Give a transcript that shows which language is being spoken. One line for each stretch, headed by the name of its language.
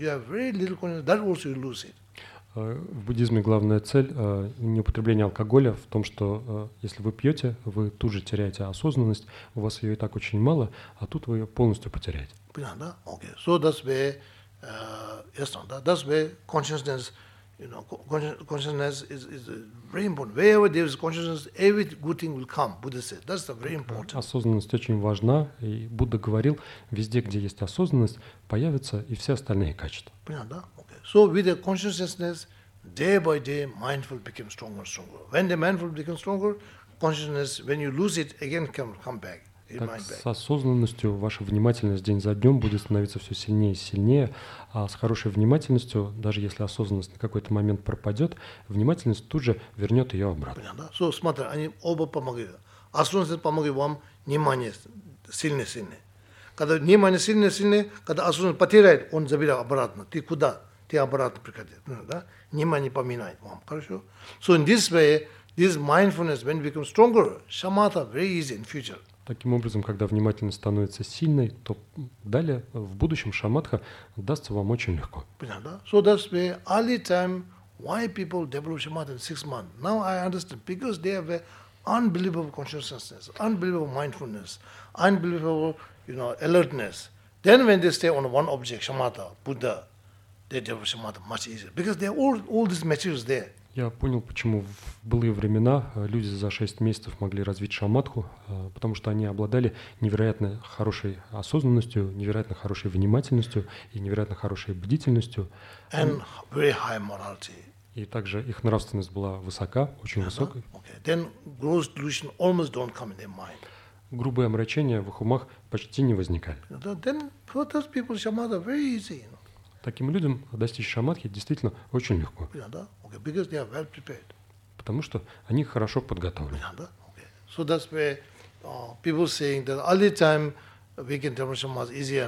English: You have very little consciousness, that also you lose it.
Russian: В буддизме главная цель не употребление алкоголя в том, что если вы пьете, вы тут же теряете осознанность, у вас ее и так очень мало, а тут вы ее полностью потеряете. Понятно, да? Okay.
English: So that's where, yes, no, that's where consciousness, you know, consciousness is very important. Wherever there is consciousness, every good thing will come, Buddha said. That's the very important.
Russian: Осознанность очень важна, и Будда говорил, везде, где есть осознанность, появятся и все остальные качества. Понятно, да? Okay.
English: So with the consciousness, day by day, mindful becomes stronger and stronger. When the mindful becomes stronger, consciousness, when you lose it, again come back.
Russian: Так с осознанностью ваша внимательность день за днем будет становиться все сильнее и сильнее, а с хорошей внимательностью, даже если осознанность на какой-то момент пропадет, внимательность тут же вернет ее обратно. Понятно, да? So, смотри, они оба помогают. Осознанность помогает вам внимание сильнее. Когда внимание сильнее, когда осознанность потеряет, он забирает обратно. Ты куда? Ты обратно приходишь. Да? Внимание поминает вам. Хорошо?
English: So in this way, this mindfulness, when it becomes stronger, shamatha very easy in future.
Russian: Таким образом, когда внимательность становится сильной, то далее в будущем шамадха дастся вам очень легко. Понятно, да?
English: So that's why early time why people develop shamatha in 6 months. Now I understand because they have unbelievable consciousness, unbelievable mindfulness, unbelievable, you know, alertness. Then when they stay on one object, shamatha, Buddha, they develop shamatha much easier because they have all these materials there.
Russian: Я понял, почему в былые времена люди за 6 месяцев могли развить шамадху, потому что они обладали невероятно хорошей осознанностью, невероятно хорошей внимательностью и невероятно хорошей бдительностью.
English: And very high morality.
Russian: И также их нравственность была высока, очень высокой.
English: Okay. Then gross delusion almost don't come in their mind.
Russian: Грубые омрачения в их умах почти не возникали.
English: Then for those people, shamadha very easy, you know.
Russian: Таким людям достичь шамадхи действительно очень легко. Понятно, да?
English: Okay. Because they are well prepared.
Russian: Потому что они хорошо подготовлены. Понятно, да? Okay.
English: So that's where people saying that early time we can develop shamadhi easier.